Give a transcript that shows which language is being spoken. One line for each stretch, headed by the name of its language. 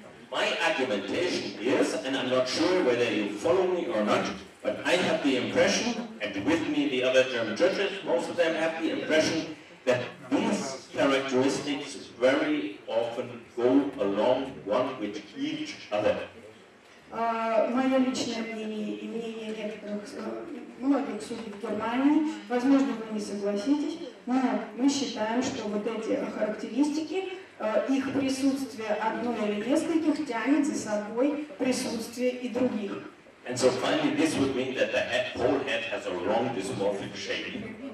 English: My argumentation is, and I'm not sure whether you follow me or not, but I have the impression, and with me the other German judges, most of them have the impression that these characteristics very often go along one with each other.
Russian: Мое личное мнение и мнение некоторых многих судей в Германии, возможно, вы не согласитесь, но мы считаем, что вот эти характеристики, их присутствие одной или нескольких тянет за собой присутствие и других.
English: And so finally this would mean that the head, whole head has a wrong dysmorphic shape.